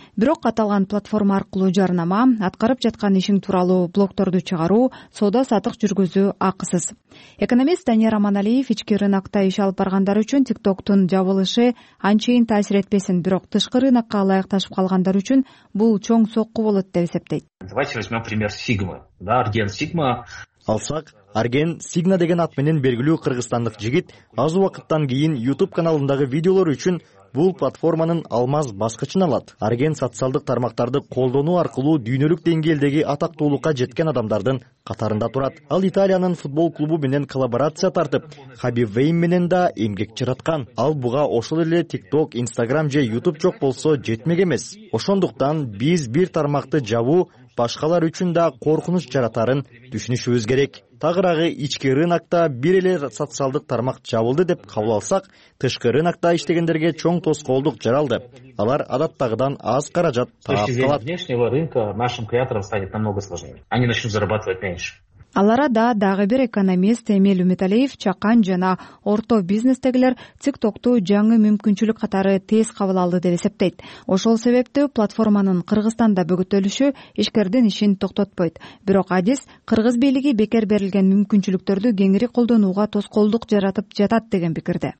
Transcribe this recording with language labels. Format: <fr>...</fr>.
<ky>Бирок аталган платформа аркылуу жарнама, аткарып жаткан ишиң тууралуу блогторду чыгаруу, соода сатык жүргүзүү акысыз. Экономист Данияр Аманалиев ички рынокта иш алып баргандар үчүн TikTok'тун жабылышы анчейин таасир этпесин, бирок тышкы рынокко ылайыкташып калгандар үчүн бул чоң сокку болот деп эсептейт.</ky> <ru>Давайте возьмем пример Сигмы. Да, агент Сигма</ru> <ky>Алсак, Арген Сигна деген ат менен белгилүү кыргызстандык жигит аз убакыттан кийин YouTube каналындагы видеолор үчүн бул платформанын алмаз баскычын алат. Арген социалдык тармактарды колдонуу аркылуу дүйнөлүк деңгээлдеги атактуулукка жеткен адамдардын катарында турат. Ал Италиянын футбол клубу менен коллаборация тартып, Хаби Вейн менен да эмгек жараткан. Ал буга ошол эле TikTok, Instagram же YouTube жок болсо жетмек эмес. Ошондуктан биз бир тармакты жабуу башкалар үчүн да коркунуч жаратарын түшүнүшүбүз керек. Тагыраагы ички рынокто бир эле социалдык тармак жабылды деп кабыл алсак, тышкы рынокто иштегендерге чоң тоскоолдук жаралды. Алар адаттагыдан аз каражат талап кылат.</ky> <ru>Внешнего рынка нашим креаторам станет намного сложнее. Они начнут зарабатывать меньше.</ru> <ky>Аларада дагы бир экономист Эмил Үмүтәлиев чакан жана орто бизнестегилер TikTok'ту жаңы мүмкүнчүлүк катары тез кабыл алды деп эсептейт. Ошол себептүү платформанын Кыргызстанда бөгөтөлүшү ишкердин ишин токтотпойт. Бирок адис кыргыз бийлиги бекер берилген мүмкүнчүлүктөрдү кеңири колдонууга тоскоолдук жаратып жатат деген пикирде.</ky>